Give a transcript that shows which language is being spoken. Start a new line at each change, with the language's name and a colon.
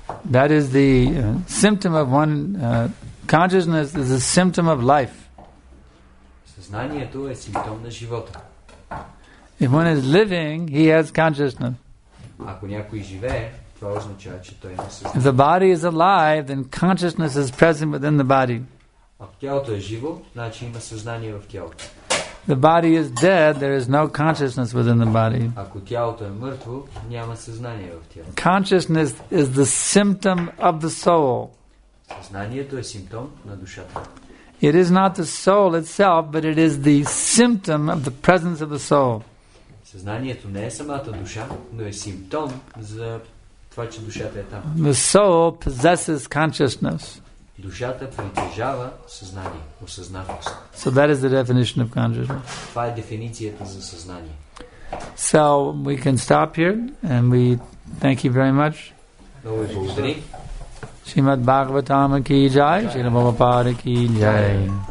English: That is the symptom of one consciousness is a symptom of life.
Bulgarian: Съзнанието е симптом на живота.
English: If one is living, he has consciousness.
Bulgarian: Ако някой живее, това означава, че той има съзнание.
English: If the body is alive, then consciousness is present within the body.
Bulgarian: Ако тялото е живо, значи има съзнание в тялото.
English: The body is dead, there is no consciousness within the body.
Bulgarian: Ако тялото е мъртво, няма съзнание в тялото.
English: Consciousness is the symptom of the soul.
Bulgarian: Съзнанието е симптом на душата.
English: It is not the soul itself, but it is the symptom of the presence of the soul.
Bulgarian: Съзнанието не е самата душа, но е симптом за това, че душата е там.
English: The soul possesses consciousness.
Bulgarian: Душата притежава съзнание, осъзнатост.
English: So that is the definition of consciousness.
Bulgarian: Това е дефиницията за съзнание.
English: So we can stop here and we thank you very much.
Bulgarian: Много ви благодарим. Шримад Бхагаватам ки джай, Шрила Прабхупада ки джай.